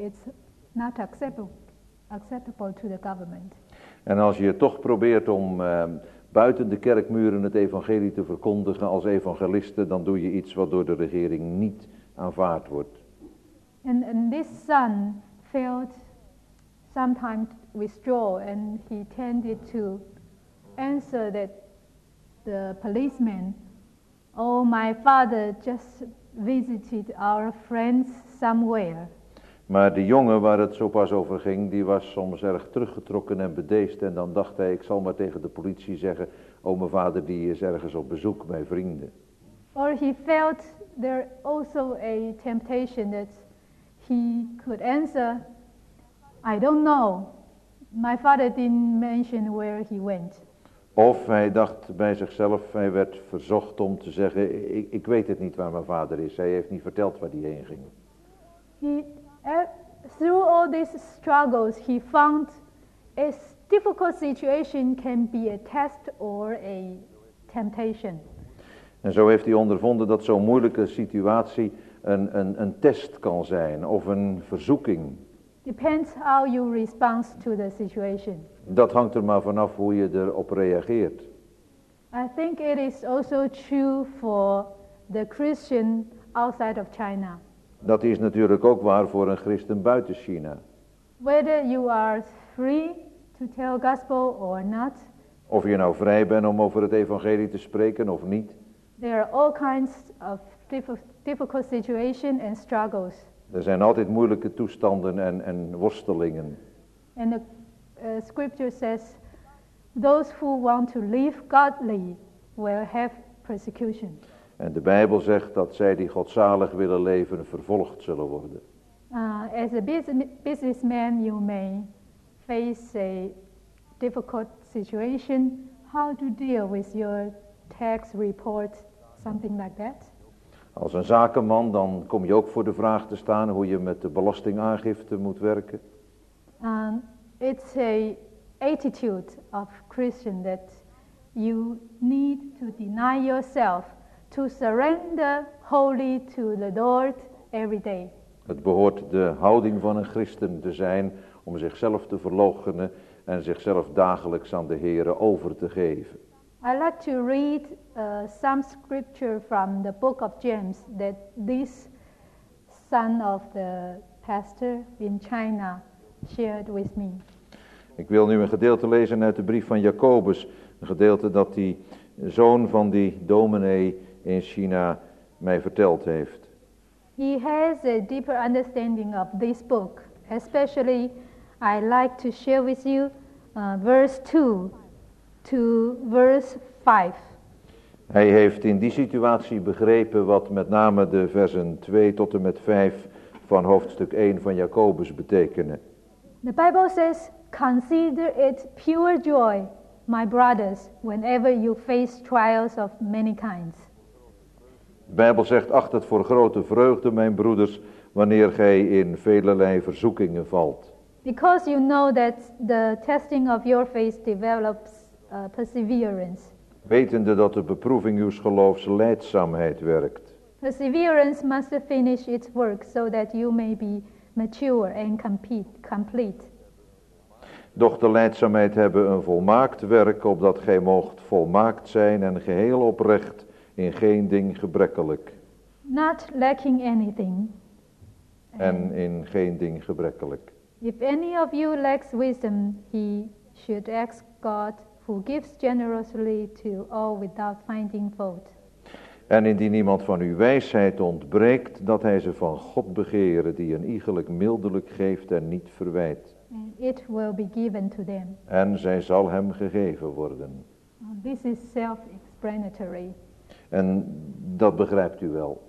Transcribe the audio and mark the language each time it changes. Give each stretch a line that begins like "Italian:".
English: It's not acceptable to the government.
Dutch: En als je toch probeert om buiten de kerkmuren het evangelie te verkondigen als evangelisten, dan doe je iets wat door de regering niet aanvaard wordt.
English: And this son felt sometimes withdraw and he tended to answer that the policeman, oh, my father just visited our friends somewhere.
Dutch: Maar de jongen waar het zo pas over ging, die was soms erg teruggetrokken en bedeesd. En dan dacht hij, ik zal maar tegen de politie zeggen, oh, mijn vader die is ergens op bezoek bij vrienden.
English: Or he felt there also a temptation that he could answer, I don't know. My father didn't mention where he went.
Dutch: Of hij dacht bij zichzelf, hij werd verzocht om te zeggen, ik weet het niet waar mijn vader is. Hij heeft niet verteld waar hij heen ging.
English: Through all these struggles, he found a difficult situation can be a test or a temptation.
Dutch: En zo heeft hij ondervonden dat zo'n moeilijke situatie een test kan zijn of een verzoeking.
English: Depends how you respond to the situation.
Dutch: Dat hangt er maar vanaf hoe je erop reageert.
English: I think it is also true for the Christian outside of China.
Dutch: Dat is natuurlijk ook waar voor een christen buiten China.
English: Whether you are free to tell gospel or not.
Dutch: Of je nou vrij bent om over het evangelie te spreken of niet.
English: There are all kinds of difficult situations and struggles.
Dutch: Er zijn altijd moeilijke toestanden en worstelingen.
English: And the scripture says, those who want to live godly will have persecution.
Dutch: En de Bijbel zegt dat zij die godzalig willen leven vervolgd zullen worden.
English: As a businessman, you may face a difficult situation. How to deal with your tax report, something like that?
Dutch: Als een zakenman, dan kom je ook voor de vraag te staan hoe je met de belastingaangifte moet werken.
English: It's a attitude of Christian that you need to deny yourself, to surrender wholly to the Lord every day.
Dutch: Het behoort de houding van een christen te zijn om zichzelf te verloochenen en zichzelf dagelijks aan de Heere over te geven.
English: I like to read some scripture from the book of James that this son of the pastor in China shared with me.
Dutch: Ik wil nu een gedeelte lezen uit de brief van Jacobus, een gedeelte dat die zoon van die dominee in China mij verteld heeft.
English: He has a deeper understanding of this book. Especially I like to share with you verse 2. To verse 5.
Dutch: Hij heeft in die situatie begrepen wat met name de versen 2 tot en met 5 van hoofdstuk 1 van Jacobus betekenen.
English: The Bible says, consider it pure joy, my brothers, whenever you face trials of many kinds.
Dutch: De Bijbel zegt, acht het voor grote vreugde, mijn broeders, wanneer gij in velerlei verzoekingen valt.
English: Because you know that the testing of your faith develops perseverance.
Dutch: Wetende dat de beproeving uw geloofs leidzaamheid werkt.
English: Perseverance must finish its work so that you may be mature and complete.
Dutch: Doch de leidzaamheid hebben een volmaakt werk, opdat gij moogt volmaakt zijn en geheel oprecht, in geen ding gebrekkelijk.
English: Not lacking anything.
Dutch: En in geen ding gebrekkelijk.
English: If any of you lacks wisdom, he should ask God, who gives generously to all without finding fault.
Dutch: En indien iemand van uw wijsheid ontbreekt, dat hij ze van God begeren, die een iegelijk mildelijk geeft en niet verwijt.
English: And it will be given to them.
Dutch: En zij zal hem gegeven worden.
English: This is self-explanatory.
Dutch: En dat begrijpt u wel.